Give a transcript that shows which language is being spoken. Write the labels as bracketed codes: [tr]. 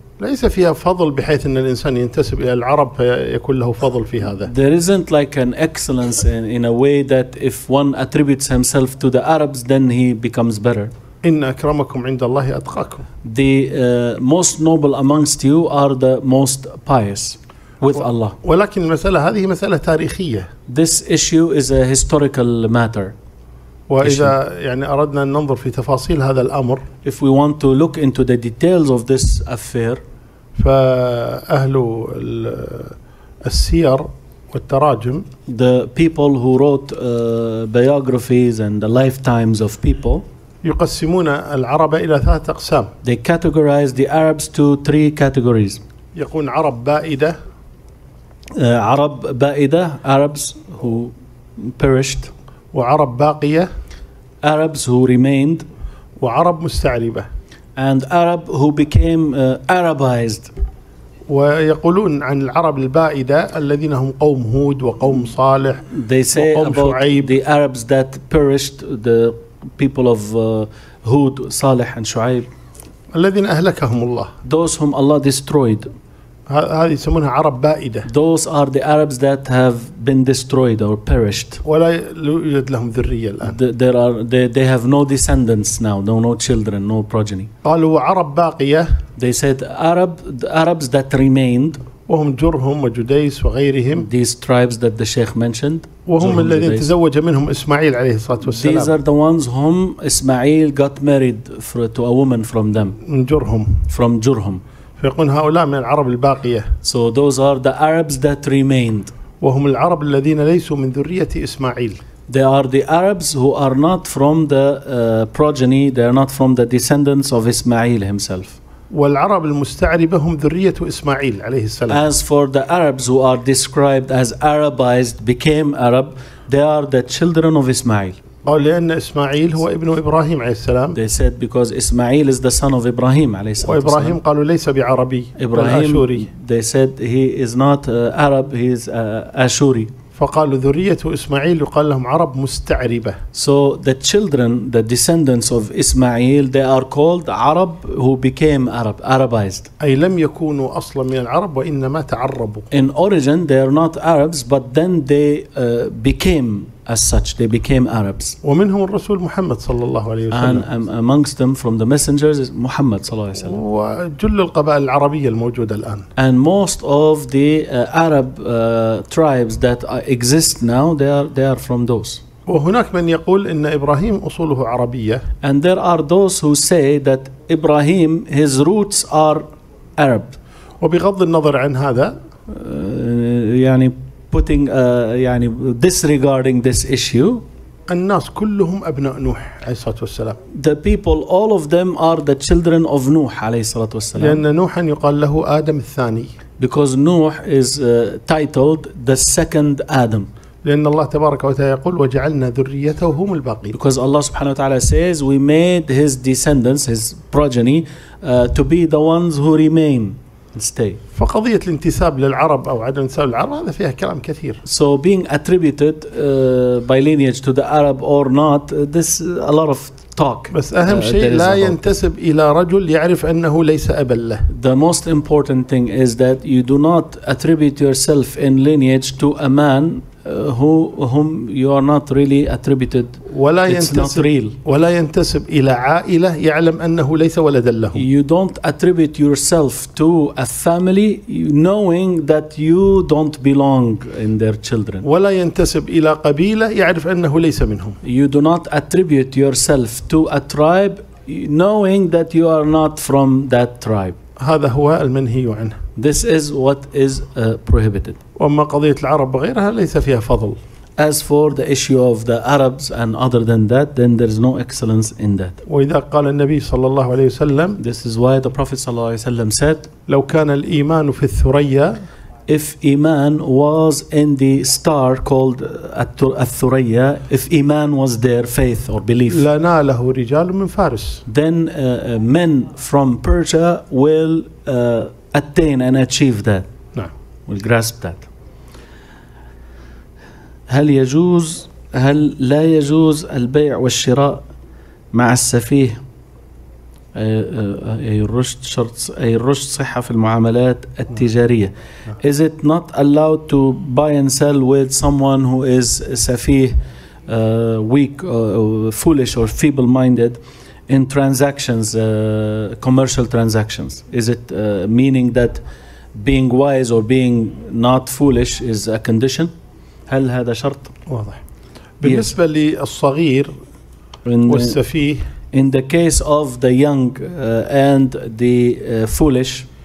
[ar] ليس فيها فضل بحيث أن الإنسان ينتسب إلى العرب يكون له فضل في هذا. [en] There isn't like an excellence in a way that if one attributes himself to the Arabs then he becomes better. [ar] إن أكرمكم عند الله أتقاكم. [en] The most noble amongst you are the most pious with Allah. [ar] ولكن المسألة هذه مسألة تاريخية. [en] This issue is a historical matter. [ar] وإذا يعني أردنا أن ننظر في تفاصيل هذا الأمر [en] if we want to look into the details of this affair [ar] فأهل السير والتراجم [en] the people who wrote biographies and the lifetimes of people [ar] يقسمون العرب إلى ثلاثة أقسام [en] they categorize the Arabs to three categories [ar] يقول عرب بائدة عرب بائدة [en] Arabs who perished [ar] وعرب باقية [en] Arabs who remained [ar] وعرب مستعربة [en] and Arab who became Arabized [ar] ويقولون عن العرب البائدة الذين هم قوم هود وقوم صالح [en] they say [ar] وقوم [en] about [ar] شعيب. [en] The Arabs that perished the people of هود صالح and شعيب [ar] الذين أهلكهم الله [en] those whom Allah destroyed [ar] هذه يسمونها عرب بائدة. [en] Those are the Arabs that have been destroyed or perished. [ar] ولا يوجد لهم ذرية الآن. [en] They have no descendants now. No children. No progeny. [ar] قالوا عرب باقية. [en] They said Arabs that remained. [ar] وهم جرهم وجديس وغيرهم. [en] These tribes that the Sheikh mentioned. [ar] وهم الذين تزوج منهم إسماعيل عليه الصلاة والسلام. [en] These are the ones whom إسماعيل got married to a woman from them. [ar] من جرهم. [en] From جرهم. [ar] فيقول هؤلاء من العرب الباقية. [en] So those are the Arabs that remained. [ar] وهم العرب الذين ليسوا من ذرية إسماعيل. [en] They are the Arabs who are not from the progeny. They are not from the descendants of Ismail himself. [ar] والعرب المستعربة هم ذرية إسماعيل عليه السلام. [en] As for the Arabs who are described as Arabized became Arab, they are the children of Ismail. [ar] أو لأن إسماعيل هو ابن إبراهيم عليه السلام. [en] They said because إسماعيل is the son of Ibrahim [ar] عليه السلام. وإبراهيم قالوا ليس بعربي. إبراهيم. آشوري. [en] They said he is not Arab, he is Ashuri. [ar] ف فقالوا ذرية إسماعيل يقال لهم عرب مستعربة. [en] So the children, the descendants of Ismail, they are called Arab who became Arab, Arabized. [ar] أي لم يكونوا أصلا من العرب وإنما تعربوا. [en] In origin they are not Arabs, but then they became as such, they became Arabs. [ar] ومنهم الرسول محمد صلى الله عليه وسلم. [en] And amongst them from the messengers is محمد [ar] صلى الله عليه وسلم. وجل القبائل العربية الموجودة الآن. [en] And most of the Arab tribes that exist now, they are from those. [ar] وهناك من يقول إن إبراهيم أصوله عربية. [en] And there are those who say that Ibrahim, his roots are Arab. [ar] وبغض النظر عن هذا. [en] يعني putting يعني disregarding this issue, [ar] الناس كلهم أبناء نوح عليه الصلاة والسلام. [en] The people, all of them, are the children of نوح [ar] عليه الصلاة والسلام. لأن نوح يقال له آدم الثاني. [en] Because نوح is titled the second Adam. [ar] لأن الله تبارك وتعالى يقول وجعلنا ذريته هم الباقين. [en] Because Allah [ar] سبحانه وتعالى [en] says we made his descendants, his progeny, to be the ones who remain. Stay. [ar] فقضية الانتساب للعرب أو عدم انتساب للعرب هذا فيها كلام كثير. [en] So being attributed by lineage to the Arab or not, this a lot of talk. [ar] بس أهم شيء لا ينتسب إلى رجل يعرف أنه ليس أبا له. [en] The most important thing is that you do not attribute yourself in lineage to a man whom you are not really attributed. [ar] ولا ينتسب. ولا ينتسب إلى عائلة يعلم أنه ليس ولدا لهم. [en] You don't attribute yourself to a family knowing that you don't belong in their children. [ar] ولا ينتسب إلى قبيلة يعرف أنه ليس منهم. [en] You do not attribute yourself to a tribe knowing that you are not from that tribe. [ar] هذا هو المنهي عنه. [en] This is what is prohibited. [ar] وما قضية العرب غيرها ليس فيها فضل. [en] As for the issue of the Arabs and other than that, then there is no excellence in that. [ar] وإذا قال النبي صلى الله عليه وسلم. [en] This is why the Prophet [ar] صلى الله عليه وسلم [en] said. [ar] لو كان الإيمان في الثريا. [en] If iman was in the star called الثريا, if iman was there, faith or belief. [ar] لنا له رجال من فارس. [en] Then men from Persia will attain and achieve that. We'll grasp that. [ar] هل يجوز هل لا يجوز البيع والشراء مع السفيه أي الرشد صحة في المعاملات التجارية. [en] Is it not allowed to buy and sell with someone who is سفيه weak foolish or feeble minded in transactions commercial transactions? Is it meaning that being wise or being not foolish is a condition? [ar] هل هذا شرط؟ واضح. بالنسبة للصغير والسفيه. [en] In the case of the young and the foolish.